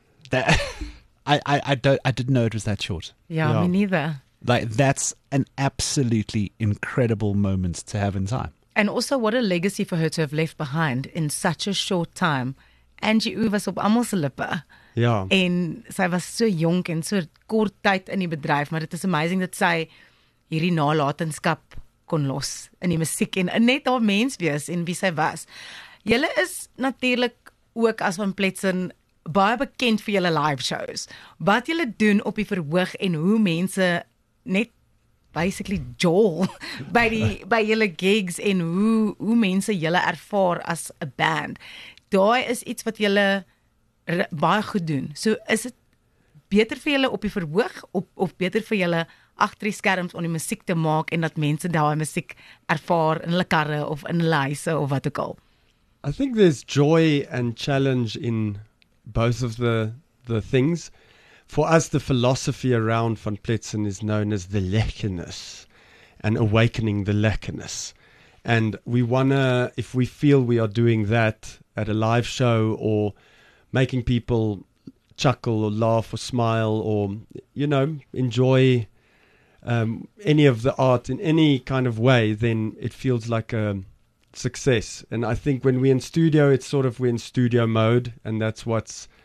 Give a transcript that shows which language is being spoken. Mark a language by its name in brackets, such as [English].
[English] That, I didn't know it was that short. Yeah, me neither. Like, that's an absolutely incredible moment to have in time. And also, what a legacy for her to have left behind in such a short time. [Afrikaans] Angie Oeh was op almal se lippe. Ja. En sy was so jonk en so kort tyd in die bedryf, maar dit is amazing dat sy hierdie nalatenskap kon los in die musiek en net haar mens wees en wie sy was. Julle is natuurlik ook as van Pletzen baie bekend vir julle live shows. Wat julle doen op die verhoog en hoe mense net basically jol by julle gigs en hoe mense julle ervaar as 'n band. Daai is iets wat julle baie goed doen. So is dit beter vir julle op die verhoog of beter vir julle agter die skerms om die musiek te maak en dat mense daai musiek ervaar in hulle karre of in hulle huise of wat ook al? [English] I think there's joy and challenge in both of the things. For us, the philosophy around Van Pletzen is known as the lekkerness and awakening the lekkerness. And we wanna, if we feel we are doing that at a live show or making people chuckle or laugh or smile or, you know, enjoy any of the art in any kind of way, then it feels like a success. And I think when we're in studio, it's sort of we're in studio mode, and that's what's